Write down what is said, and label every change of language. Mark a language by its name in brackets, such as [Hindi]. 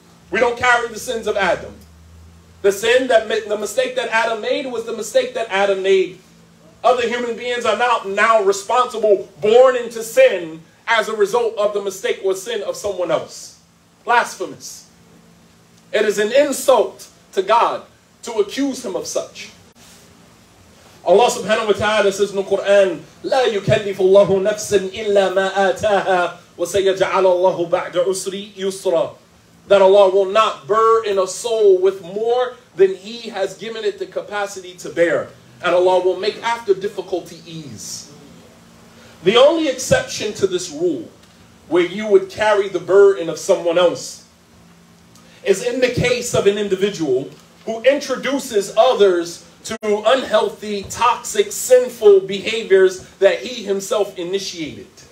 [English] We don't carry the sins of Adam. The mistake that Adam made was the mistake that Adam made. Other human beings are not now responsible, born into sin, as a result of the mistake or sin of someone else. Blasphemous. It is an insult to God to accuse him of such. Allah subhanahu wa ta'ala says in the Quran, [Arabic] لا يكلف الله نفسا إلا ما آتاها وسيجعل الله بعد عسر يسرا. [English] That Allah will not burden a soul with more than he has given it the capacity to bear. And Allah will make after difficulty ease. The only exception to this rule, where you would carry the burden of someone else, is in the case of an individual who introduces others to unhealthy, toxic, sinful behaviors that he himself initiated.